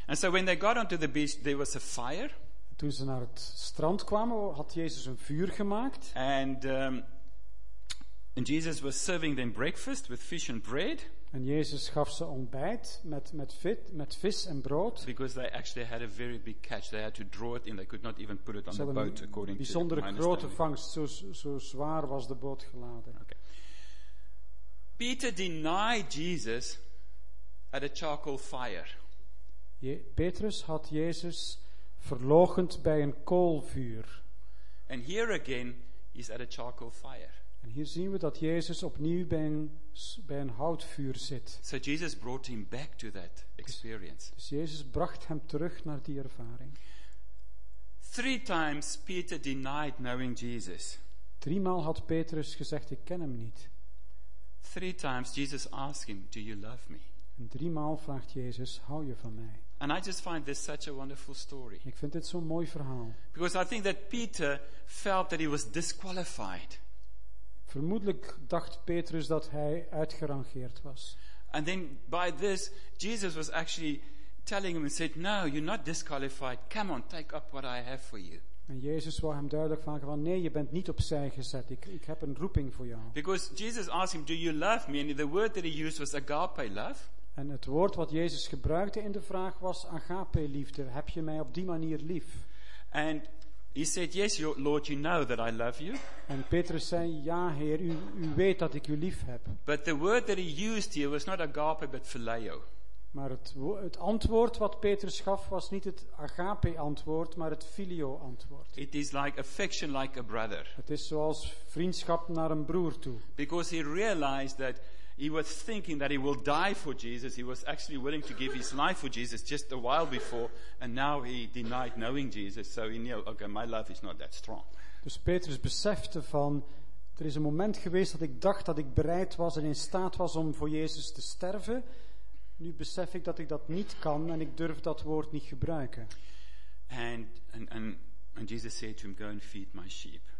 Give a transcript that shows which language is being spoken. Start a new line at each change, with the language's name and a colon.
English: And so when they got onto the beach, there was a fire.
Dutch: En toen ze naar het strand kwamen, had Jezus een vuur gemaakt.
English: And Jesus was serving them breakfast with fish and bread.
Dutch: En Jezus gaf ze ontbijt met vis en brood.
English: Because they actually had a very big catch. They had to draw it in. They could not even put it on the boat, according to
Dutch: the bijzondere grote vangst. Zo zwaar was de boot geladen.
English: Okay. Peter denied Jesus at a charcoal fire.
Dutch: Petrus had Jezus verloochend bij een koolvuur.
English: And here again he's at a charcoal fire.
Dutch: En hier zien we dat Jezus opnieuw bij een houtvuur zit.
English: So Jesus brought him back to that experience.
Dutch: Dus Jezus bracht hem terug naar die ervaring.
English: Three times Peter denied knowing Jesus.
Dutch: Driemaal had Petrus gezegd, ik ken hem niet.
English: Three times Jesus asked him, "Do you love me?"
Dutch: En driemaal vraagt Jezus, hou je van mij?
English: And I just find this such a wonderful story.
Dutch: Ik vind dit zo'n mooi verhaal.
English: Because I think that Peter felt that he was disqualified.
Dutch: Vermoedelijk dacht Petrus dat hij uitgerangeerd was.
English: And then by this Jesus was actually telling him and said, "No, you're not disqualified. Come on, take up what I have for you."
Dutch: En Jezus wou hem duidelijk vragen van, nee, je bent niet opzij gezet. Ik heb een roeping voor jou.
English: Because Jesus asked him, "Do you love me?" And the word that he used was agape love.
Dutch: En het woord wat Jezus gebruikte in de vraag was agape liefde. Heb je mij op die manier lief?
English: And he said, "Yes, Lord, you know that I love you."
Dutch: En Petrus zei, ja, Heer, u weet dat ik u lief heb.
English: But the word that he used here was not agape, but phileo.
Dutch: Maar het antwoord wat Petrus gaf was niet het agape antwoord, maar het filio antwoord.
English: It is like affection like a brother.
Dutch: Het is zoals vriendschap naar een broer toe.
English: Because he realized that he was thinking that he will die for Jesus. He was actually willing to give his life for Jesus just a while before, and now he denied knowing Jesus. So he knew, okay, my love is not that strong.
Dutch: Dus Petrus besefte van, Er is een moment geweest dat ik dacht dat ik bereid was en in staat was om voor Jezus te sterven. Nu besef ik dat ik dat niet kan en ik durf dat woord niet gebruiken.
English: And Jesus said to him, go and feed my sheep.